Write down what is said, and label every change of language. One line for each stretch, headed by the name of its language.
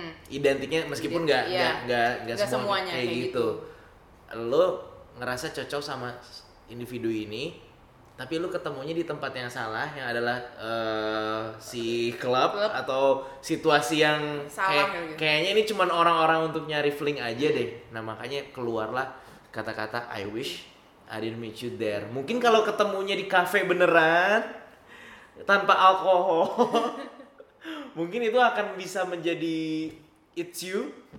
Indonesian: Identiknya meskipun gak semuanya kayak gitu. Lu ngerasa cocok sama individu ini, tapi lu ketemunya di tempat yang salah, yang adalah si klub atau situasi yang kayaknya ini cuman orang-orang untuk nyari fling aja deh. Nah makanya keluarlah kata-kata
English: I wish I didn't meet you there.
Indonesian: Mungkin kalau ketemunya di kafe beneran tanpa alkohol, mungkin itu akan bisa menjadi
English: it's you.